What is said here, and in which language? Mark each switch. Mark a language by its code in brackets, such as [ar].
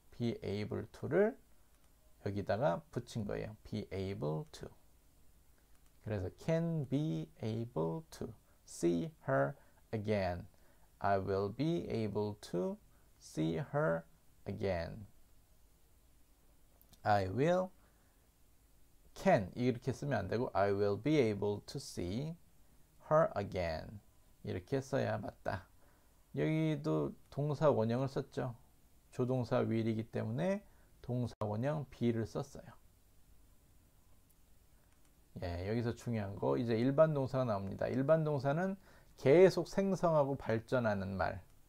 [en] be able to [ko] 를 여기다가 붙인 거예요. [en] be able to. [ko] 그래서 [en] can be able to see her again. I will be able to see her again. I will can [ko] 이렇게 쓰면 안 되고 [en] I will be able to see her again. [ko] 이렇게 써야 맞다. 여기도 동사 원형을 썼죠. 조동사 will이기 때문에 동사 원형 be를 썼어요. 예, 여기서 중요한 거 이제 일반 동사가 나옵니다. 일반 동사는 계속 생성하고 발전하는 말.